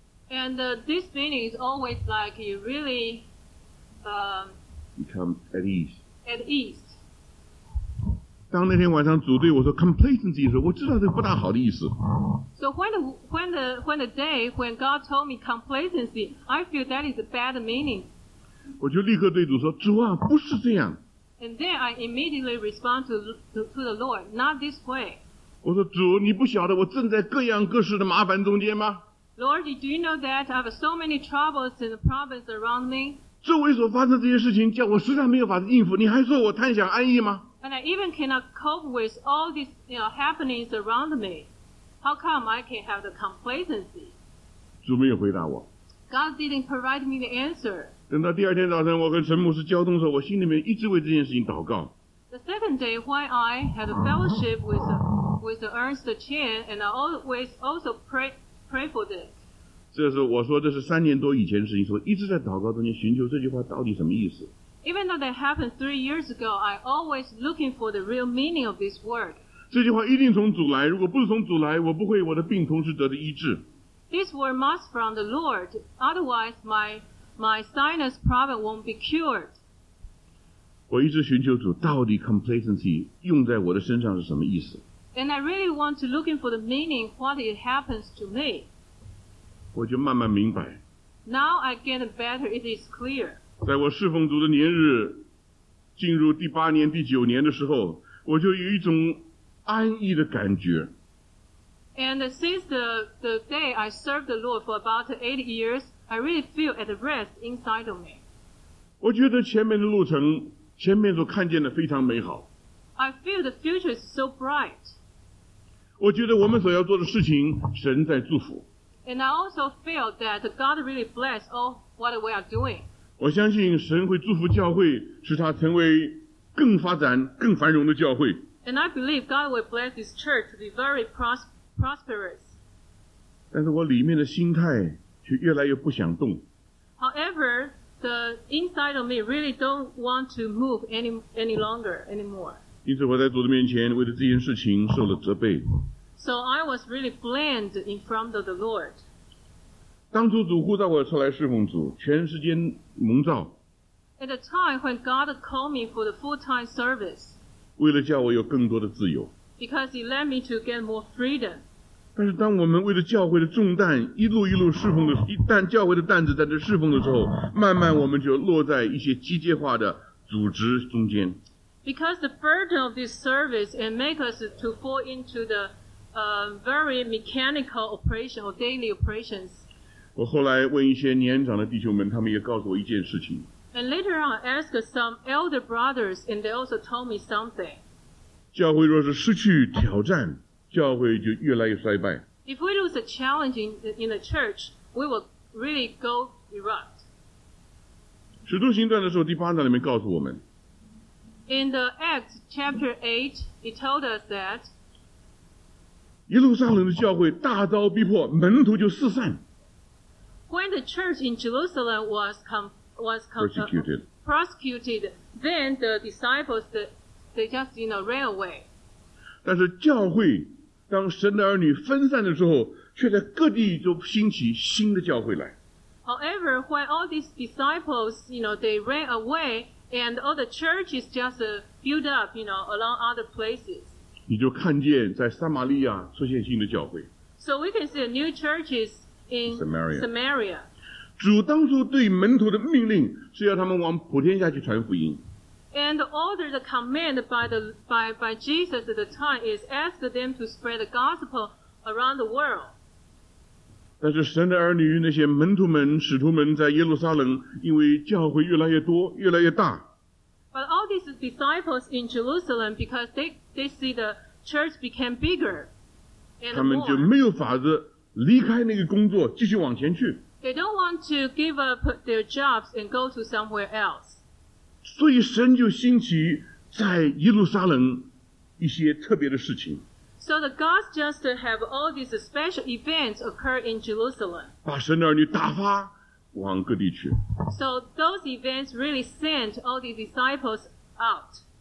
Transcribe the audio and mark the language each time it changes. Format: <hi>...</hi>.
<en>And this meaning is always like you really become at ease. At ease.</en> <zh>当那天晚上主对我说 complacency 的时候，我知道这不大好的意思。</zh> <en>So when the day when God told me complacency, I feel that is a bad meaning.</en> <zh>我就立刻对主说：“主啊，不是这样。”</zh> <en>And then I immediately respond to the Lord, not this way.</en> <zh>我说主，你不晓得我正在各样各式的麻烦中间吗？</zh> <en>Lord, do you know that I have so many troubles and problems around me?</en> <zh>周围所发生这些事情，叫我实在没有法子应付。你还说我贪想安逸吗？</zh> <en>And I even cannot cope with all these, you know, happenings around me. How come I can have the complacency?</en> <zh>主没有回答我。</zh> <en>God didn't provide me the answer.</en> <zh>等到第二天早晨，我跟陈牧师交通的时候，我心里面一直为这件事情祷告。</zh> <en>The second day, while I had a fellowship with Ernest Chan, and I always also pray for this.</en> <zh>这是我说，这是三年多以前的事情，所以一直在祷告中间寻求这句话到底什么意思。</zh> <en>Even though that happened 3 years ago, I always looking for the real meaning of this word.</en> <zh>这句话一定从主来，如果不是从主来，我不会我的病同时得的医治。</zh> <en>This word must from the Lord, otherwise my sinus problem won't be cured.</en> <zh>我一直寻求主，到底 complacency 用在我的身上是什么意思</zh> <en>？And I really want to looking for the meaning, what it happens to me.</en> <zh>我就慢慢明白。</zh> <en>Now I get better, it is clear.</en> <zh>在我侍奉主的年日进入第八年、第九年的时候，我就有一种安逸的感觉。</zh> <en>And since the day I served the Lord for about 8 years, I really feel at rest inside of me.</en> <zh>我觉得前面的路程，前面所看见的非常美好。</zh> <en>I feel the future is so bright.</en> <zh>我觉得我们所要做的事情，神在祝福。</zh> <en>And I also feel that God really bless all what we are doing.</en> <zh>我相信神会祝福教会，使它成为更发展、更繁荣的教会。</zh> <en>And I believe God will bless this church to be very prosperous.</en> <zh>但是我里面的心态却越来越不想动。</zh> <en>However, the inside of me really don't want to move any longer anymore.</en> <zh>因此我在主的面前为了这件事情受了责备。</zh> <en>So I was really blamed in front of the Lord.</en> <zh>当初主呼召我出来侍奉主，全时间蒙召。</zh> <en>At the time when God called me for the full-time service.</en> <zh>为了叫我有更多的自由。</zh> <en>Because he led me to get more freedom.</en> <zh>但是当我们为了教会的重担，一路一路侍奉的，一旦教会的担子在这侍奉的时候，慢慢我们就落在一些机械化的组织中间。</zh> <en>Because the burden of this service and make us to fall into theVery mechanical operation or daily operations.</en> <zh>我后来问一些年长的弟兄们，他们也告诉我一件事情。</zh> <en>And later on, I asked some elder brothers, and they also told me something.</en> <zh>教会若是失去挑战，教会就越来越衰败。</zh> <en>If we lose a challenge in the church, we will really go erupt.</en> <zh>使徒行传的时候，第八章里面告诉我们。</zh> <en>In the Acts chapter 8, it told us that.</en> <zh>耶路撒冷的教会大遭逼迫，门徒就四散。</zh> <en>When the church in Jerusalem was persecuted, then the disciples they just you know ran away.</en> <zh>但是教会当神的儿女分散的时候，却在各地就兴起新的教会来。</zh> <en>However, when all these disciples you know they ran away and all the churches just built up you know along other places.</en> <zh>你就看见在撒玛利亚出现新的教会。</zh> <en>So we can see new churches in Samaria.</en> <zh>主当初对门徒的命令是要他们往普天下去传福音。</zh> <en>And the order, the command by Jesus at the time is ask them to spread the gospel around the world.</en> <zh>但是神的儿女那些门徒们、使徒们在耶路撒冷，因为教会越来越多、越来越大。</zh> <en>But all these disciples in Jerusalem, because they see the church became bigger, and</en> <zh>他们就没有法子离开那个工作，继续往前去。</zh> <en>They don't want to give up their jobs and go to somewhere else.</en> <zh>所以神就兴起在耶路撒冷一些特别的事情。</zh> <en>So the gods just have all these special events occur in Jerusalem.</en> <zh>把神的儿女打发。往各地去。</zh> <en>So those events really sent all the disciples out.</en>